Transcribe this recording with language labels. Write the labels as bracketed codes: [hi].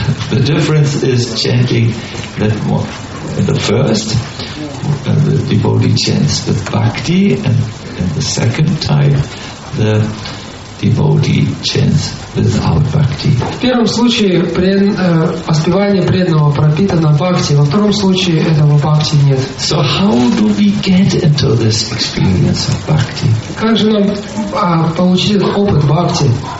[en] The difference is chanting that the first the devotee chants with bhakti and the second time the devotee chants without bhakti. [ru] В первом случае воспевание преданного пропитано бхакти, во втором случае этого бхакти нет. [en] So how do we get into this experience of bhakti? [ru] Как же нам получить этот опыт бхакти?